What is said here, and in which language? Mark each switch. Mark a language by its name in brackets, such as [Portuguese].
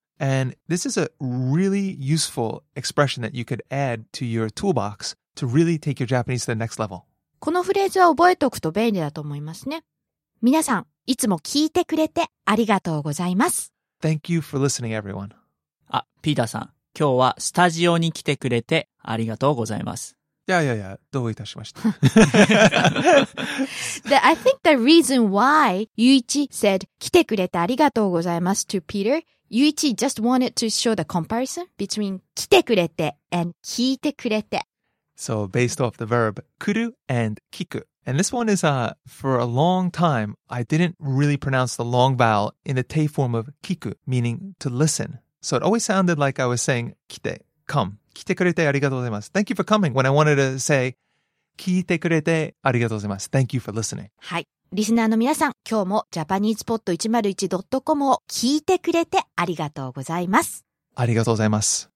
[English] And this is a really useful expression that you could add to your toolbox to really take your Japanese to the next level. [Japanese] このフレーズは覚えておくと便利だと思いますね。皆さん、いつも聞いてくれてありがとうございます。 [English] Thank you for listening, everyone. [Japanese] あ、ピーターさん、今日はスタジオに来てくれてありがとうございます。いや、どういたしまして [English] 。 I think the reason why Yuichi said [Japanese] 来てくれてありがとうございます [English] to Peter, Yuichi just wanted to show the comparison between 来てくれて and 聞いてくれて。 So based off the verb 来る and 聞く. And this one is, for a long time, I didn't really pronounce the long vowel in the te form of 聞く, meaning to listen. So it always sounded like I was saying 来て, come. [Japanese] 来てくれてありがとうございます。 [English] Thank you for coming. When I wanted to say, [Japanese] 聞いてくれてありがとうございます。 [English] Thank you for listening. [Japanese] はい。リスナーの皆さん、今日も JapanesePod101.com を聞いてくれてありがとうございます。ありがとうございます。